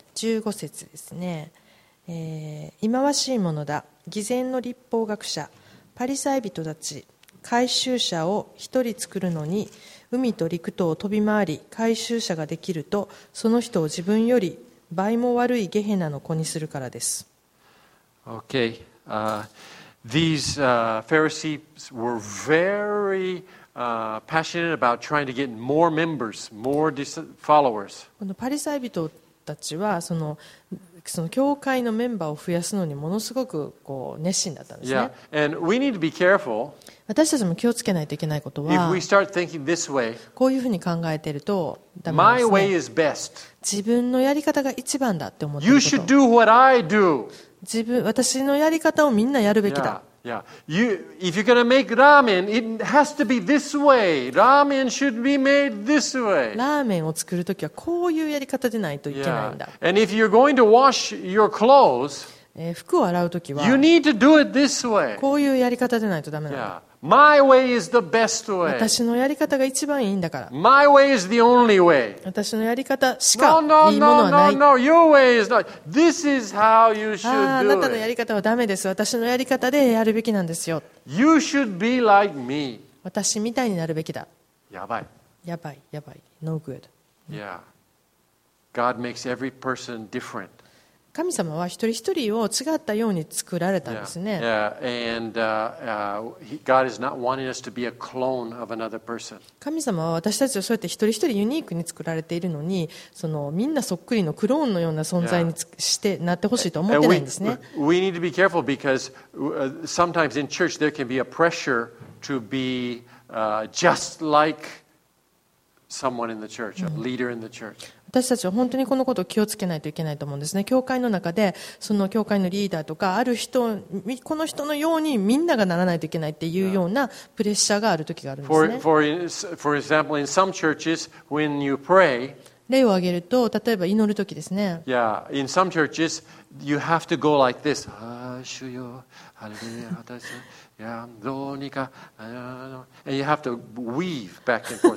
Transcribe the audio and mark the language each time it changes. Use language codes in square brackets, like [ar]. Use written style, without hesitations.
[ja] 15節ですね。忌まわしいものだ。偽善の律法学者、パリサイ人たち、回収者を一人作るのに、海と陸とを飛び回り、回収者ができると、その人を自分より倍も悪いゲヘナの子にするからです。 [en] Okay, these Pharisees were very passionate about trying to get more members, more followers. [ja] このパリサイ人たちはその教会のメンバーを増やすのにものすごくこう熱心だったんですね。 Yeah. [en] And we need to be careful. [ja] 私たちも気をつけないといけないことは、 [en] if we start thinking this way, [ja] こういうふうに考えているとダメですね。 [en] My way is best. [ja] 自分のやり方が一番だって思っていること [en] 。 You should do what I do. [ja] 自分、私のやり方をみんなやるべきだ。 [en] Yeah. Yeah, you. If you're gonna make ramen, it has to be this way. Ramen should be made this way. [ja] ラーメンを作るときはこういうやり方でないといけないんだ。 [en] And if you're going to wash your clothes, [ja] 服を洗うときは、 [en] you need to do it this way. [ja] こういうやり方でないとダメなんだ。 [en] Yeah. My way is the best way. [ja] 私のやり方が一番いいんだから。 [en] My way is the only way. [ja] 私のやり方しかいいものはない。 [en] No, no, no, no, no. Your way is not. This is how you should do it. [ja] あなたのやり方はダメです。私のやり方でやるべきなんですよ。 [en] You should be like me. [ja] 私みたいになるべきだ。やばい。やばい、やばい。 [en] No good. Yeah. God makes every person different. [ja] 神様は一人一人を違ったように作られたんですね。 yeah. Yeah. [en] And, God is not wanting us to be a clone of another person. [ja] 神様は私たちをそうやって一人一人ユニークに作られているのに、そのみんなそっくりのクローンのような存在に、yeah. してなってほしいと思ってないんですね。 [en] we need to be careful because sometimes in church there can be a pressure to be just like someone in the church, a leader in the church. [ja] 私たちは本当にこのことを気をつけないといけないと思うんですね。教会の中でその教会のリーダーとかある人、この人のようにみんながならないといけないっていうようなプレッシャーがある時があるんですね。 [en] For example, in some churches, when you pray, [ja] 例を挙げると例えば祈る時ですね。 [en] Yeah, in some churches, you have to go like this. [ja] 主よ、ハレルヤ、私どうにか、 [en] and you have to weave back and forth.